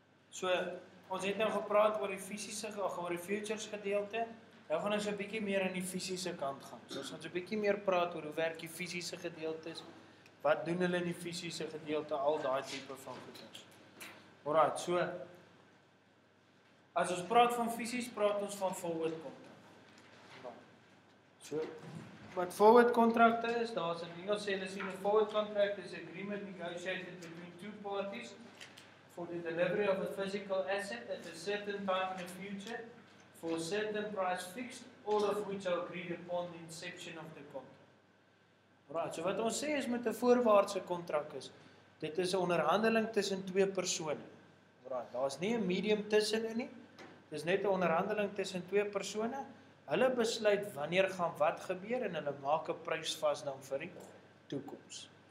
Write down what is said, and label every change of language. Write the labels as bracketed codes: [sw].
[af] So, ons het nou gepraat oor die fysische, oor die futures gedeelte. Nou gaan ons een bykie meer in die fysische kant gaan. So, ons gaan een bykie meer praat oor hoe werk die fysische gedeeltes, wat doen hulle in die fysische gedeelte, al die type van goeders. Alright, so, as ons praat van fysies, praat ons van forward contract. So, wat forward contract is, daar is in Engels sê, [en] is in forward contract is agreement negotiated between two parties for the delivery of a physical asset at a certain time in the future for a certain price fixed, all of which are agreed upon the inception of the contract. [af] Right, so wat ons sê is met 'n voorwaartse contract is, dit is 'n onderhandeling tussen twee persone. Right, daar is nie 'n medium tussenin nie, dit is net 'n onderhandeling tussen twee persone. Hulle besluit wanneer gaan wat gebeur en hulle maak 'n prys vas dan vir die toekoms.